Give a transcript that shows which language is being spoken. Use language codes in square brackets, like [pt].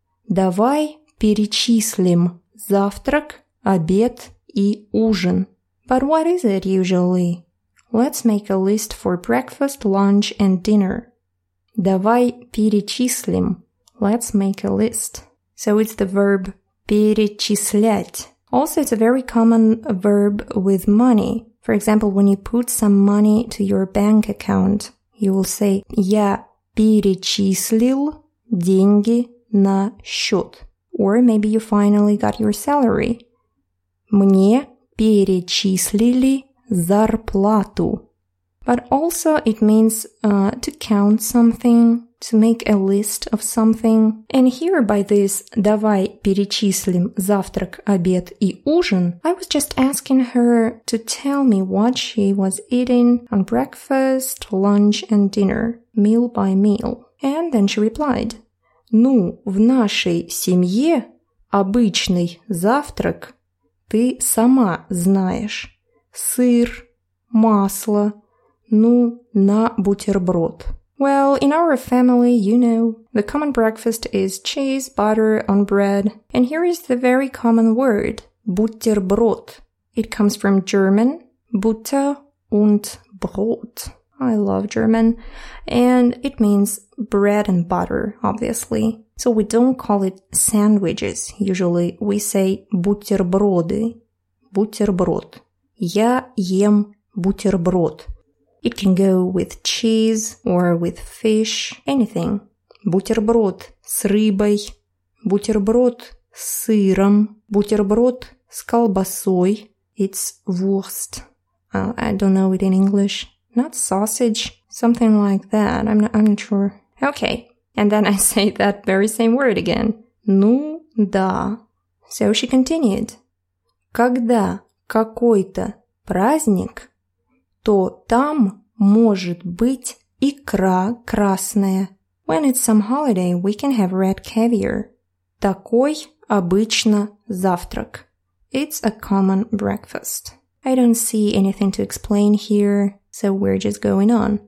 [ru] Давай перечислим завтрак, обед и ужин. [en] But what is it usually? Let's make a list for breakfast, lunch and dinner. [ru] Давай перечислим. [en] Let's make a list. So it's the verb перечислять. Also, it's a very common verb with money. For example, when you put some money to your bank account, you will say, [ru] я перечислил деньги на счет. [en] Or maybe you finally got your salary. [ru] Мне перечислили зарплату. [en] But also, it means to count something, to make a list of something. And here by this, [ru] давай перечислим завтрак, обед и ужин, [en] I was just asking her to tell me what she was eating on breakfast, lunch and dinner, meal by meal. And then she replied, [ru] ну, в нашей семье обычный завтрак ты сама знаешь. Сыр, масло, ну, на бутерброд. [en] Well, in our family, you know, the common breakfast is cheese, butter on bread. And here is the very common word, [ru] бутерброд. [en] It comes from German, [de] Butter und Brot. [en] I love German. And it means bread and butter, obviously. So we don't call it sandwiches. Usually we say [ru] бутерброды. Бутерброд. Я ем бутерброд. [en] It can go with cheese or with fish, anything. [ru] Бутерброд с рыбой, бутерброд с сыром, бутерброд с колбасой. [en] It's wurst. I don't know it in English. Not sausage, something like that. I'm not sure. Okay, and then I say that very same word again. [ru] Ну да. [en] So she continued. [ru] Когда какой-то праздник, то там может быть икра красная. [en] When it's some holiday, we can have red caviar. [ru] Такой обычно завтрак. [en] It's a common breakfast. I don't see anything to explain here, so we're just going on.